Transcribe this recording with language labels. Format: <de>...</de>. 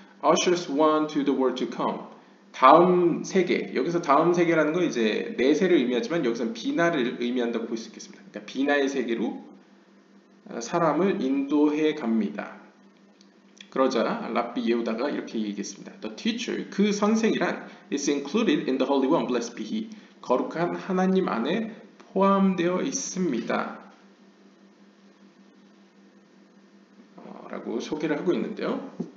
<en>Ushers one to the world to come.</en> <ko>다음 세계. 여기서 다음 세계라는 건 이제 내세를 의미하지만 여기서는 비나를 의미한다고 볼 수 있겠습니다. 그러니까 비나의 세계로 사람을 인도해 갑니다. 그러자 랍비 예우다가 이렇게 얘기했습니다.</ko> <en>The teacher,</en> <ko>그 선생이란</ko> <en>is included in the Holy One, blessed be he.</en> <ko>거룩한 하나님 안에 포함되어 있습니다. 라고 소개를 하고 있는데요.</ko>